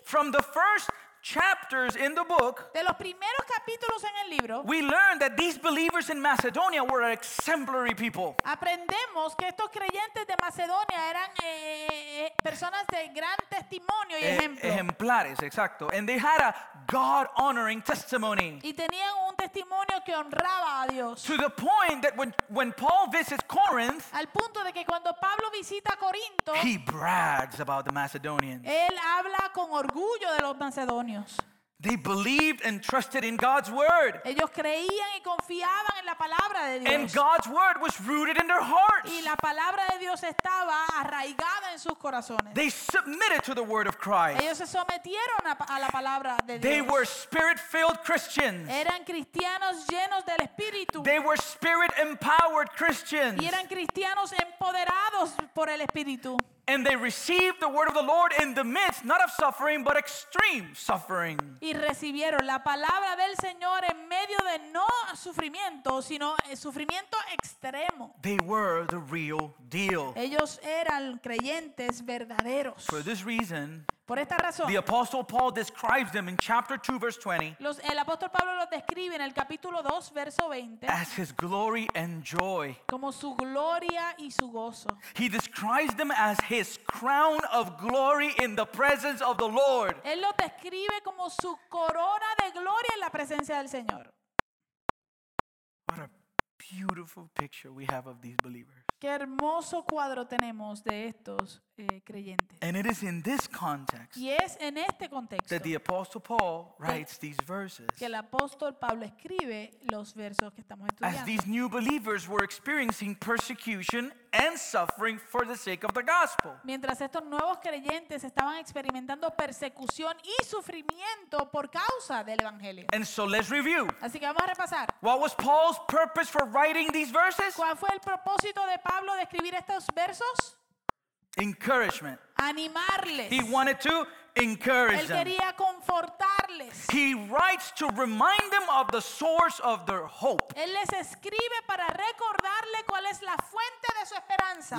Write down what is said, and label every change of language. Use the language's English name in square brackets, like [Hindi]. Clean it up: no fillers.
[English] From the first chapters in the book, [Spanish] de los primeros capítulos en el libro, [English] we learn that these believers in Macedonia were exemplary people. [Spanish] Aprendemos que estos creyentes de Macedonia eran personas de gran testimonio y ejemplo. Ejemplares, exacto. [English] And they had a God-honoring testimony. [Spanish] Y tenían un testimonio que honraba a Dios. [English] To the point that when Paul visits Corinth, [Spanish] al punto de que cuando Pablo visita Corinto, [English] he brags about the Macedonians. [Spanish] Él habla con orgullo de los macedonios. [English] They believed and trusted in God's word. [Spanish] Ellos creían y confiaban en la palabra de Dios. [English] And God's word was rooted in their hearts. [Spanish] Y la palabra de Dios estaba arraigada en sus corazones. [English] They submitted to the word of Christ. [Spanish] Ellos se sometieron a la palabra de Dios. [English] They were spirit-filled Christians. [Spanish] Eran cristianos llenos del Espíritu. [English] They were spirit-empowered Christians. [Spanish] Y eran cristianos empoderados por el Espíritu. [English] And they received the word of the Lord in the midst, not of suffering, but extreme suffering. [Spanish] Y recibieron la palabra del Señor en medio de no sufrimiento, sino sufrimiento extremo. [English] They were the real deal. [Spanish] Ellos eran creyentes verdaderos. [English] For this reason, [Spanish] por esta razón, [English] the Apostle Paul describes them in chapter 2, verse 20. [Spanish] El apóstol Pablo los describe en el capítulo 2, verso 20. [English] As his glory and joy. [Spanish] Como su gloria y su gozo. [English] He describes them as his crown of glory in the presence of the Lord. [Spanish] Él los describe como su corona de gloria en la presencia del Señor. [English] What a beautiful picture we have of these believers. [Spanish] Qué hermoso cuadro tenemos de estos creyentes. [English] And it is in this context, [Spanish] y es en este contexto, [English] that the Apostle Paul writes these verses, [Spanish] que el apóstol Pablo escribe los versos que estamos estudiando. [English] As these new believers were experiencing persecution and suffering for the sake of the gospel. [Spanish] Mientras estos nuevos creyentes estaban experimentando persecución y sufrimiento por causa del evangelio. [English] And so let's review. [Spanish] Así que vamos a repasar. [English] What was Paul's purpose for writing these verses? [Spanish] ¿Cuál fue el propósito de Pablo de escribir estos versos? [English] Encouragement. [Spanish] Animarles. [English] He wanted to encourage [Spanish] them. Él quería confortarles. [English] He writes to remind them of the source of their hope. [Spanish] Él les escribe para recordarle cuál es la fuente de su esperanza.